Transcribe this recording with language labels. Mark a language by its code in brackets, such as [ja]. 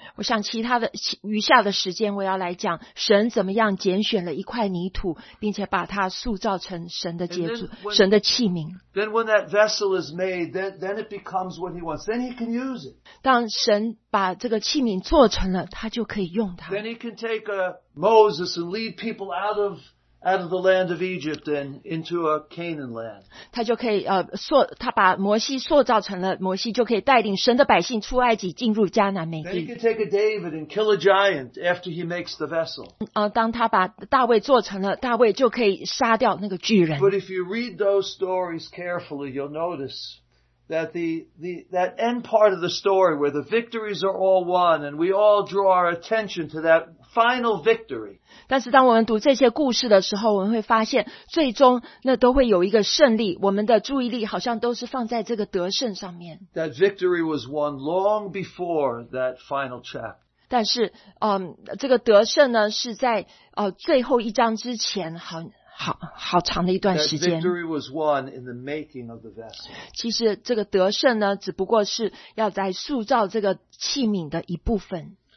[zh] 我想其他的余下的时间，我要来讲神怎么样拣选了一块泥土，并且把它塑造成神的杰作、神的器皿。 [en] Then when that vessel is made, then it becomes what he wants. Then he can use it. [zh] 当神把这个器皿做成了，他就可以用它。 [en] Then he can take a Moses and lead people out of the land of Egypt and into a Canaan land. [zh] 他就可以他把摩西塑造成了摩西，就可以带领神的百姓出埃及，进入迦南美地。 [en] Then he can take a David and kill a giant after he makes the vessel. [zh] 当他把大卫做成了，大卫就可以杀掉那个巨人。 [en] But if you read those stories carefully, you'll notice that that end part of the story where the victories are all won and we all draw our attention to that final victory. [zh] 但是当我们读这些故事的时候，我们会发现最终那都会有一个胜利，我们的注意力好像都是放在这个得胜上面。 [en] That victory was won long before that final chapter. [zh] 但是这个得胜呢是在最后一章之前好长的一段时间。 [en] That victory was won in the making of the vessel. [zh] 其实这个得胜呢只不过是要在塑造这个器皿的一部分。